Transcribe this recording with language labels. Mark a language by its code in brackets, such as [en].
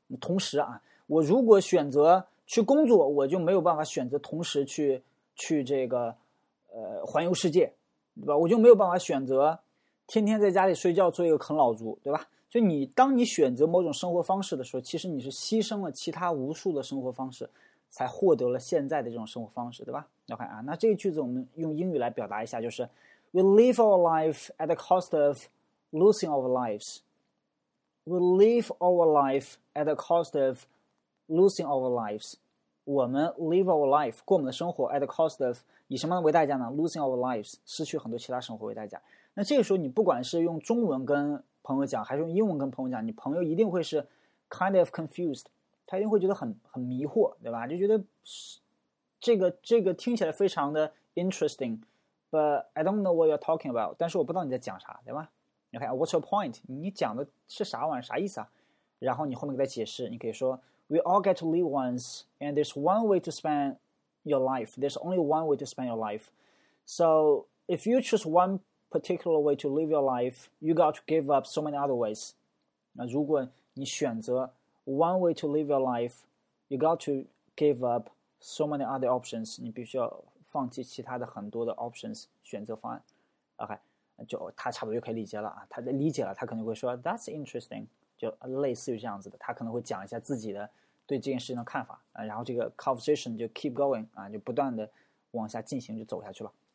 [zh] 同时啊，我如果选择去工作，我就没有办法选择同时去这个环游世界，对吧？我就没有办法选择天天在家里睡觉做一个啃老族，对吧？就你当你选择某种生活方式的时候，其实你是牺牲了其他无数的生活方式才获得了现在的这种生活方式，对吧？ OK 啊，那这个句子我们用英语来表达一下，就是 [en] We live our life at the cost of losing our lives. We live our life at the cost of losing our lives. [zh] 我们 [en] live our life [zh] 过我们的生活 [en] at the cost of [zh] 以什么为代价呢？ [en] Losing our lives [zh] 失去很多其他生活为代价。那这个时候你不管是用中文跟朋友讲还是用英文跟朋友讲，你朋友一定会是 [en] kind of confused， [zh] 他一定会觉得很迷惑，对吧？就觉得这个听起来非常的 interesting， [en] but I don't know what you're talking about， [zh] 但是我不知道你在讲啥，对吧？ OK， [en] what's your point， [zh] 你讲的是啥玩意，啥意思啊？ [en] 然后你后面给他解释，你可以说 We all get to live once and there's one way to spend your life， there's only one way to spend your life， so if you choose one particular way to live your life， you got to give up so many other ways。 [zh] 那如果你选择 [en] One way to live your life, you got to give up so many other options. [zh] 你必须要放弃其他的很多的 options 选择方案。OK， 就他差不多就可以理解了啊。他理解了，他可能会说 [en] "That's interesting." [zh] 就类似于这样子的，他可能会讲一下自己的对这件事情的看法啊。然后这个 conversation 就 [en] keep going [zh] 啊，就不断的往下进行，就走下去了。